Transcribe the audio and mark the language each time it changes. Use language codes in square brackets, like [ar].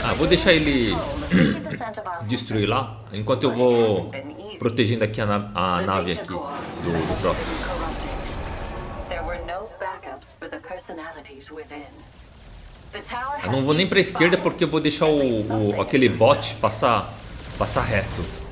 [pt] vou deixar ele destruir lá, enquanto eu vou protegendo aqui a nave aqui do próprio. [en] There were no backups for the personalities within. [pt] Eu não vou nem pra esquerda porque eu vou deixar aquele bot passar reto.